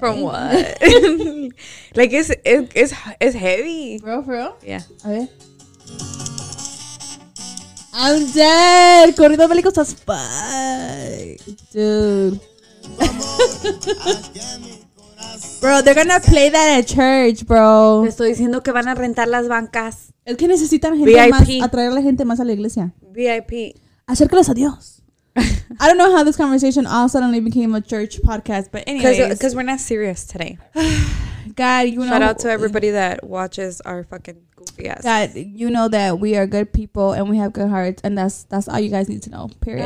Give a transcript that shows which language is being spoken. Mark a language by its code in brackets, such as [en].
[en] From what? Like it's heavy. Bro, for real? Yeah. Okay. I'm dead. [es] Corrido Bélico estás [en] fucked. Dude. Bro, they're gonna play that at church, bro. [es] Te estoy diciendo que van a rentar las bancas. Es que necesitan gente VIP. Más, atraer a la gente más a la iglesia. VIP. Acércalos a Dios. [en] I don't know how this conversation all suddenly became a church podcast, but anyways. Because we're not serious today. God, you know. Shout out to everybody that watches our fucking goofy ass. God, you know that we are good people and we have good hearts. And that's all you guys need to know, period.